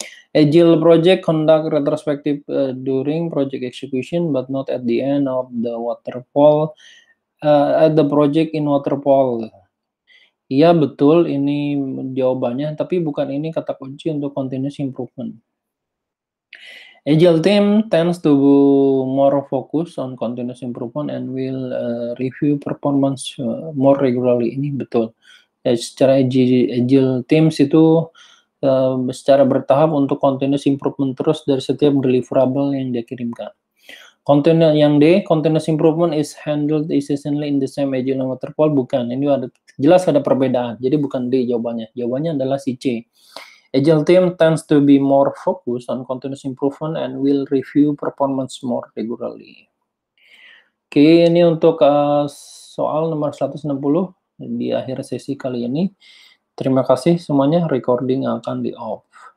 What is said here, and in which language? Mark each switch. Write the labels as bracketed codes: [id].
[en] Agile project conduct retrospective during project execution but not at the end of the waterfall, at the project in waterfall. [id] Iya betul, ini jawabannya, tapi bukan ini kata kunci untuk continuous improvement. [en] Agile team tends to be more focused on continuous improvement and will review performance more regularly. [id] Ini betul. Secara agile teams itu secara bertahap untuk continuous improvement terus dari setiap deliverable yang dia kirimkan. [en] Continuous improvement is handled essentially in the same agile waterfall. [id] Bukan. Ini ada, jelas ada perbedaan. Jadi bukan D jawabannya. Jawabannya adalah si C. [en] Agile team tends to be more focused on continuous improvement and will review performance more regularly. [id] Oke, ini untuk soal nomor 160 di akhir sesi kali ini. Terima kasih semuanya. Recording akan di off.